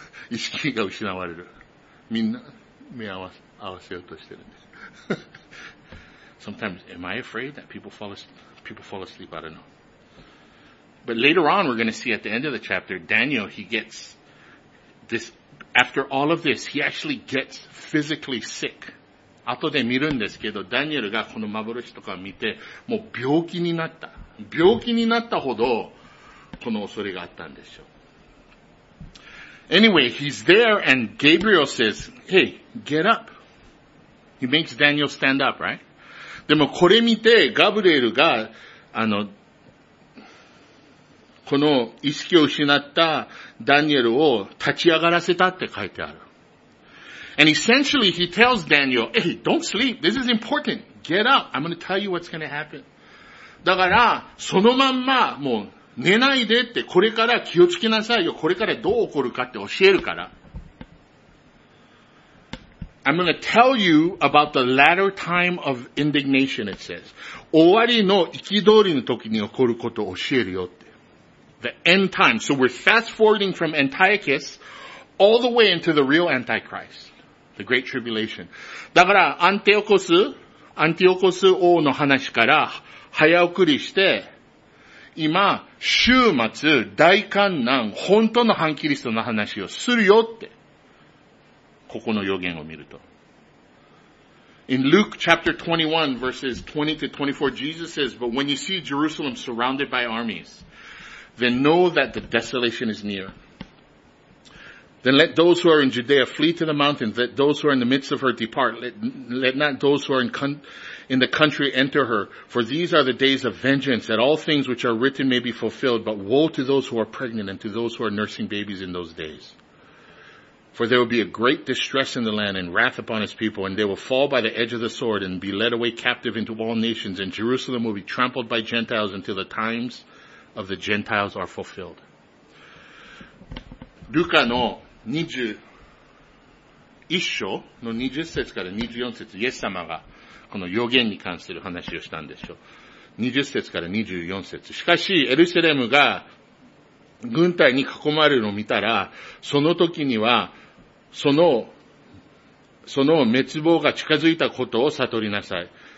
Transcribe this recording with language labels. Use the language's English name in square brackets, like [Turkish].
[Japanese] 意識が失われる。みんな目合わせようとしてるんです。 [English] Sometimes, am I afraid that people fall asleep? I don't know. But later on, we're going to see at the end of the chapter, Daniel, he gets this... After all of this, he actually gets physically sick. [Japanese] 後で見るんですけど、ダニエルがこの幻とかを見て、もう病気になった。病気になったほど、この恐れがあったんでしょう。 [English] Anyway, he's there and Gabriel says, hey, get up. He makes Daniel stand up, right? [Japanese] でもこれ見て、ガブリエルが、この意識を失ったダニエルを立ち上がらせたって書いてある。 [English] And essentially he tells Daniel, hey, don't sleep. This is important. Get up. I'm going to tell you what's going to happen. [Japanese] だから、そのまんま、もう寝ないでって、これから気をつけなさいよ。これからどう起こるかって教えるから。 [English] I'm going to tell you about the latter time of indignation, it says. [Japanese] 終わりの憤りの時に起こることを教えるよって。 [English] The end time. So we're fast forwarding from Antiochus all the way into the real Antichrist. The Great Tribulation. [Japanese] だから、アンティオコス王の話から早送りして、今、終末、大患難、本当の反キリストの話をするよって、ここの予言を見ると。 [English] In Luke chapter 21 verses 20 to 24, Jesus says, But when you see Jerusalem surrounded by armies,Then know that the desolation is near. Then let those who are in Judea flee to the mountains. Let those who are in the midst of her depart. Let not those who are in the country enter her. For these are the days of vengeance, that all things which are written may be fulfilled. But woe to those who are pregnant and to those who are nursing babies in those days. For there will be a great distress in the land and wrath upon his people. And they will fall by the edge of the sword and be led away captive into all nations. And Jerusalem will be trampled by Gentiles until the times...of the Gentiles are fulfilled. [Japanese] ルカの21章の20節から24節、イエス様がこの予言に関する話をしたんでしょう。 20節から24節。しかし、エルサレムが軍隊に囲まれるのを見たら、その時には、その滅亡が近づいたことを悟りなさい。